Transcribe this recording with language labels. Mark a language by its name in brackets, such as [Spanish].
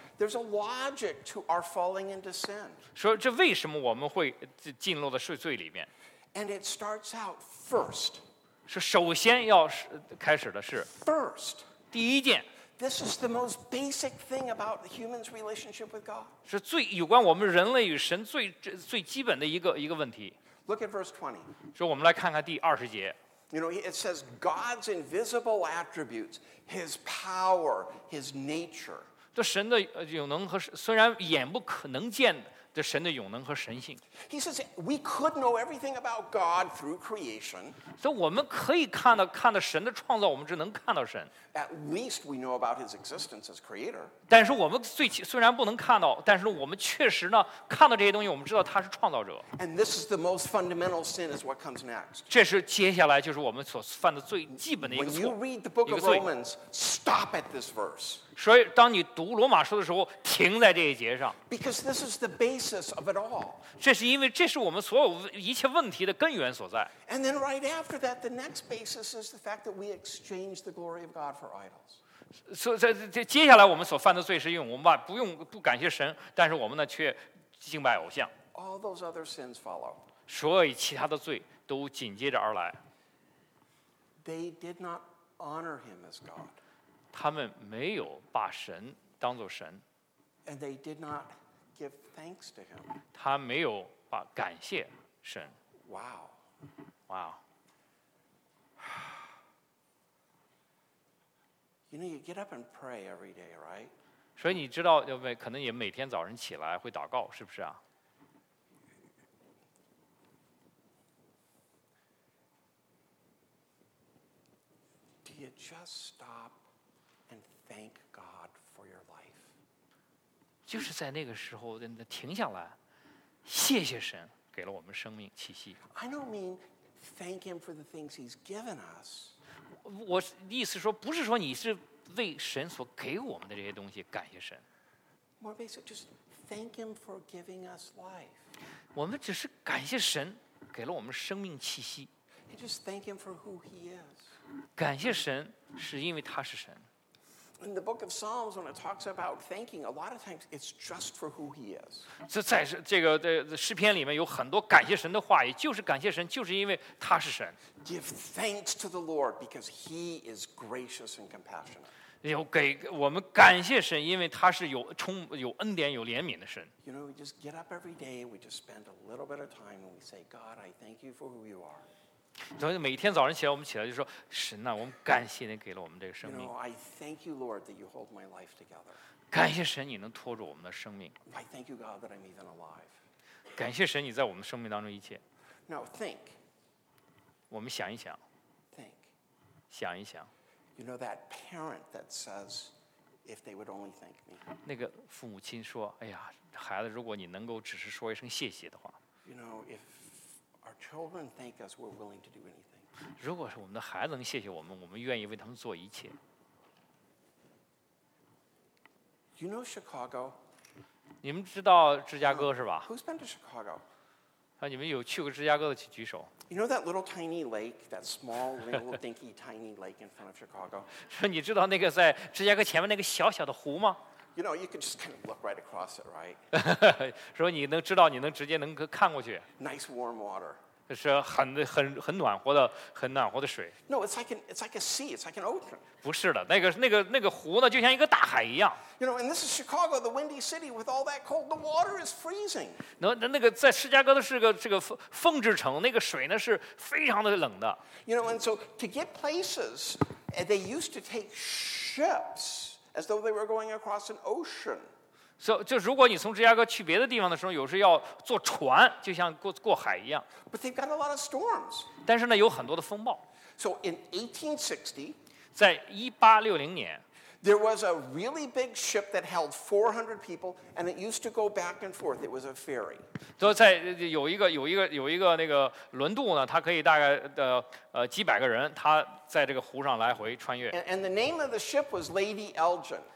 [English] There's a logic to our falling into sin. [Chinese] 说这为什么我们会进入到罪里面？ [English] And it starts out first. [Chinese] 是首先要开始的是 [English] first. [Chinese] 第一件。 [English] This is the most basic thing about the human's relationship with God. [Chinese] 是最有关我们人类与神最基本的一个问题。 [English] Look at verse 20. [Chinese] 说我们来看看第二十节。 [English] You know, it says God's invisible attributes, His power, His nature. [Chinese] 这神的永能和虽然眼不可能见的神的永能和神性。 [English] He says we could know everything about God through creation. [Chinese] 所以我们可以看到神的创造，我们只能看到神。 [English] At least we know about His existence as creator. [Chinese] 但是我们虽然不能看到，但是我们确实呢看到这些东西，我们知道他是创造者。 [English] And this is the most fundamental sin is what comes next. [Chinese] 这是接下来就是我们所犯的最基本的一个错。 [English] When you read the book of Romans, stop at this verse. [Chinese] 所以当你读罗马书的时候停在这一节上。 [English] Because this is the basis of it all. [Chinese] 这是因为这是我们所有一切问题的根源所在。 [English] And then right after that, the next basis is the fact that we exchange the glory of God for idols. [Chinese] 所以接下来我们所犯的罪是因为我们不感谢神，但是我们呢却敬拜偶像。 [English] All those other sins follow. [Chinese] 所有其他的罪都紧接着而来。 [English] They did not honor him as God. [Chinese] 他们没有把神当作神。 [English] And they did not give thanks to him. [Chinese] 他没有把感谢神。 Wow. Wow. [English] You know, you get up and pray every day, right? [Chinese] 所以你知道，可能也每天早上起来会祷告，是不是啊？ [English] Do you just stop? Thank God for your life. [Chinese] 就是在那个时候，真的停下来，谢谢神给了我们生命气息。 [English] I don't mean thank Him for the things He's given us. [Chinese] 我意思说，不是说你是为神所给我们的这些东西感谢神。 [English] More basic, just thank Him for giving us life. [Chinese] 我们只是感谢神给了我们生命气息。 [English] And just thank Him for who He is. [Chinese] 感谢神是因为他是神。 [English] In the book of Psalms, when it talks about thanking, a lot of times it's just for who he is. [Chinese] 在这个诗篇里面有很多感谢神的话语，就是感谢神，就是因为他是神。 [English] Give thanks to the Lord because he is gracious and compassionate. [Chinese] 有给我们感谢神，因为他是有恩典、有怜悯的神。 [English] You know, we just get up every day, we just spend a little bit of time, and we say, God, I thank you for who you are. [Chinese] 所以每天早上起来，我们起来就说：“神啊，我们感谢你给了我们这个生命。 [English] ”I thank you, Lord, that you hold my life together. [Chinese] 感谢神，你能托住我们的生命。 [English] I thank you, God, that I'm even alive. [Chinese] 感谢神，你在我们生命当中一切。 [English] Now think. [Chinese] 我们想一想。 [English] Think. [Chinese] 想一想。 [English] You know that parent that says, "If they would only thank me." [Chinese] 那个父母亲说：“哎呀，孩子，如果你能够只是说一声谢谢的话。 [English] ”You know if. Our children thank us, we're willing to do anything. [Chinese] 如果是我们的孩子能谢谢我们，我们愿意为他们做一切。 [English] You know Chicago? [Chinese] 你们知道芝加哥是吧？ [English] Who's been to Chicago? [Chinese] 你们有去过芝加哥的请举手。 [English] You know that little tiny lake, that small little dinky tiny lake in front of Chicago? [Chinese] 说你知道那个在芝加哥前面那个小小的湖吗？ [English] You know, you can just kind of look right across it, right? [Chinese] 说你能知道，你能直接能看过去。 [English] Nice warm water. [Chinese] 是很暖和的，很暖和的水。 [English] No, it's like a sea. It's like an ocean. [Chinese] 不是的，那个湖呢，就像一个大海一样。 [English] You know, and this is Chicago, the windy city, with all that cold. The water is freezing. [Chinese] 那个在芝加哥的是个这个风之城，那个水呢是非常的冷的。 [English] You know, and so to get places, they used to take ships. As though they were going across an ocean. [Chinese] So, 就如果你从芝加哥去别的地方的时候，有时要坐船，就像过海一样。 [English] But they've got a lot of storms. [Chinese] 但是呢，有很多的风暴。 [English] So in 1860, [Chinese] 在1860年 [English] there was a really big ship that held 400 people, and it used to go back and forth. It was a ferry. [Chinese] 就在有一个那个轮渡呢，它可以大概几百个人，它。在这个湖上来回穿越。 [English] And the name of the ship was Lady Elgin.